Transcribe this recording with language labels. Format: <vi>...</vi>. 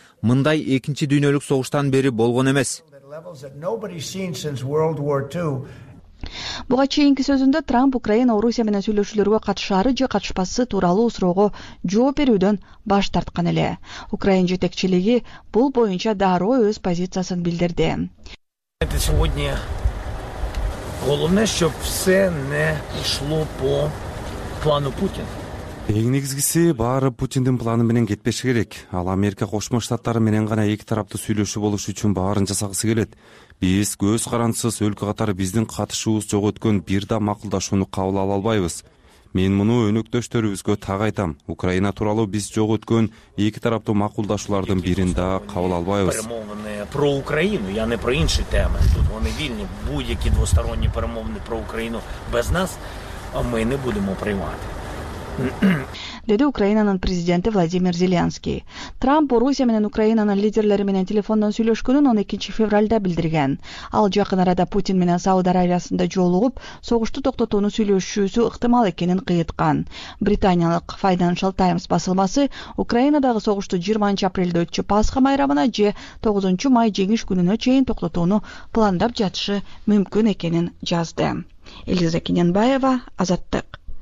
<ky>Мындай экинчи дүйнөлүк согуштан бери болгон эмес. Буга чейинки сөзүндө Трамп Украина Орусия менен сүйлөшүүлөргө катышары же катышпасы тууралуу суроого жооп берүүдөн баш тарткан эле. Украин жетекчилиги бул боюнча дароо өз позициясын билдирди.</ky> <ru>Это сегодня головное, чтоб все не шло по плану Путина.</ru> <ky>Эң негизгиси баары Путиндин планы менен кетпеши керек. Ал Америка Кошмо Штаттары менен гана эки тараптуу сүйлөшүү болушу үчүн баарын жасагысы келет. Биз көз карандысыз өлкө катары биздин катышуубуз жоготкон бир да макулдашууну кабыл ала албайбыз. Мен муну өнөктөштөрүбүзгө так айтам. Украина тууралуу биз жоготкон эки тараптуу макулдашуулардын бирин да кабыл албайбыз.</ky> <ru>Про Украину, я не про иншие темы.</ru> <uk>Тут вони вільні, будь-які двосторонні перемовини про Украину без нас ми не будемо приймати.</uk> <ky>Деди Украинанын президенти Владимир Зеленский. Трамп Орусия менен Украинанын лидерлери менен телефондон сүйлөшкөнүн 12 февральда билдирген. Ал жакын арада Путин менен Сауд Арабиясында жолугуп, согушту токтотууну сүйлөшүүсү ыктымал экенин кыйыткан. Британиялык Financial Times басылмасы Украинадагы согушту 20 апрелде өтчү Пасха майрамына же 9 май жеңиш күнүнө чейин токтотууну пландап жатышы мүмкүн экенин жазды. Элиза Кененбаева, Азаттык.</ky>